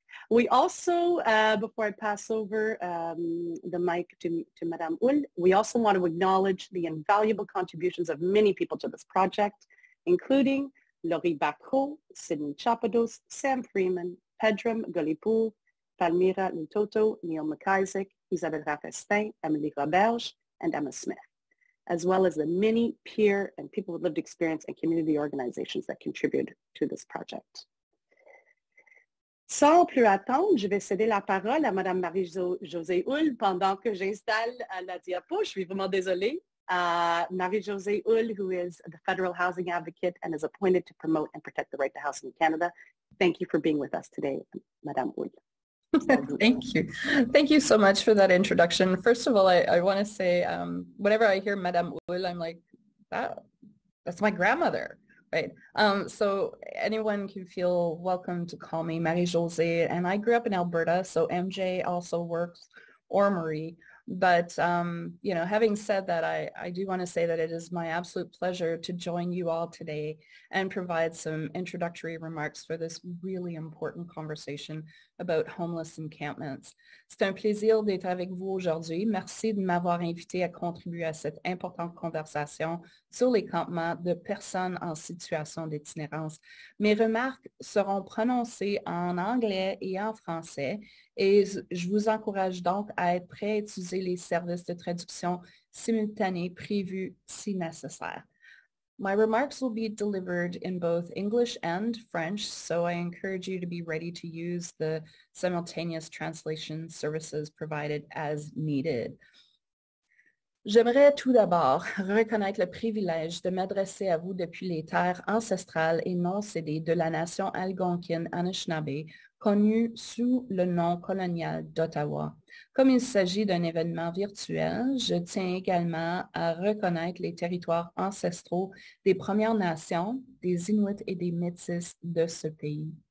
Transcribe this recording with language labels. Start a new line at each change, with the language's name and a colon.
English: We also, before I pass over the mic to Madame Hull, we also want to acknowledge the invaluable contributions of many people to this project, including Laurie Bacro, Sydney Chapados, Sam Freeman, Pedram Golipour, Palmira Lutoto, Neil McIsaac, Isabel Raffestin, Emily Roberge, and Emma Smith, as well as the many peer and people with lived experience and community organizations that contribute to this project.
French: Sans plus attendre, je vais céder la parole à Madame Marie-Josée Hull pendant que j'installe la diapo. Je suis vraiment désolée.
English: Marie-Josée Hull, who is the federal housing advocate and is appointed to promote and protect the right to housing in Canada. Thank you for being with us today, Madame Hull. Thank you. Thank you so much for that introduction. First of all, I want to say, whenever I hear Madame Hull, I'm like, wow, that's my grandmother, right? So anyone can feel welcome to call me Marie-Josée. And I grew up in Alberta, so MJ also works, or Marie. But, you know, having said that, I do want to say that it is my absolute pleasure to join you all today and provide some introductory remarks for this really important conversation about homeless encampments.
French: C'est un plaisir d'être avec vous aujourd'hui. Merci de m'avoir invité à contribuer à cette importante conversation sur les campements de personnes en situation d'itinérance. Mes remarques seront prononcées en anglais et en français et je vous encourage donc à être prêt à utiliser les services de traduction simultanée prévus si nécessaire.
English: My remarks will be delivered in both English and French, so I encourage you to be ready to use the simultaneous translation services provided as needed.
French: J'aimerais tout d'abord reconnaître le privilège de m'adresser à vous depuis les terres ancestrales et non cédées de la nation algonquine Anishinaabe, connue sous le nom colonial d'Ottawa. Comme il s'agit d'un événement virtuel, je tiens également à reconnaître les territoires ancestraux des Premières Nations, des Inuits et des Métis de ce pays.